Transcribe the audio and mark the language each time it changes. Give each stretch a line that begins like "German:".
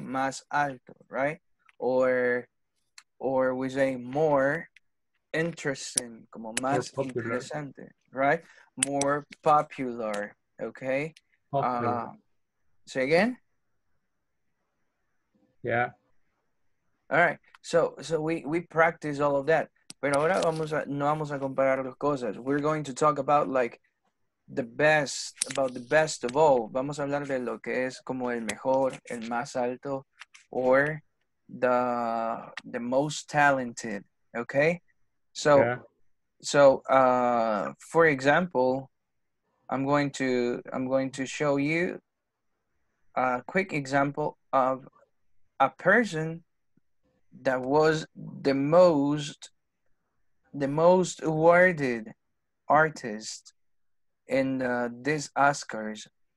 Spanish: Más alto,
English: right? Or we say more.
Spanish: Interesting, como más interesante, right?
English: More popular, okay? Popular. Say again? Yeah. All right, so we practice all of that.
Spanish: Pero ahora no vamos a comparar las cosas.
English: We're going to talk about like the best of all.
Spanish: Vamos a hablar de lo que es como el mejor, el más alto,
English: or the most talented, okay? So for example, I'm going to show you a quick example of a person that was the most awarded artist in this Oscars.